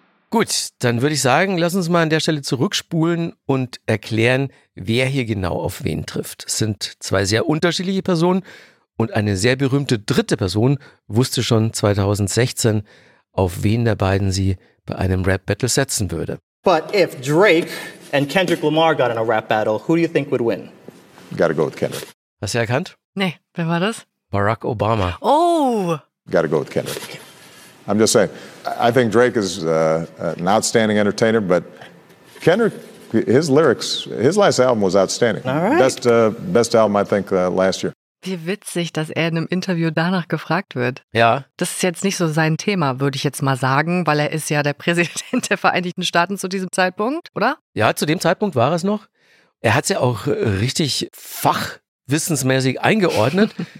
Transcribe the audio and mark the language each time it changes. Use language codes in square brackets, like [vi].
[de] Gut, dann würde ich sagen, lass uns mal an der Stelle zurückspulen und erklären, wer hier genau auf wen trifft. Es sind zwei sehr unterschiedliche Personen und eine sehr berühmte dritte Person wusste schon 2016, auf wen der beiden sie bei einem Rap-Battle setzen würde. [en] But if Drake and Kendrick Lamar got in a rap battle, who do you think would win? You gotta go with Kendrick. [de] Hast du erkannt? Nee, wer war das? Barack Obama. Oh! [en] Gotta go with Kendrick. I'm just saying, I think Drake is an outstanding entertainer, but Kendrick, his lyrics, his last album was outstanding. All right. Best album, I think, last year. [de] Wie witzig, dass er in einem Interview danach gefragt wird. Ja. Das ist jetzt nicht so sein Thema, würde ich jetzt mal sagen, weil er ist ja der Präsident der Vereinigten Staaten zu diesem Zeitpunkt, oder? Ja, zu dem Zeitpunkt war es noch. Er hat es ja auch richtig fachwissensmäßig eingeordnet.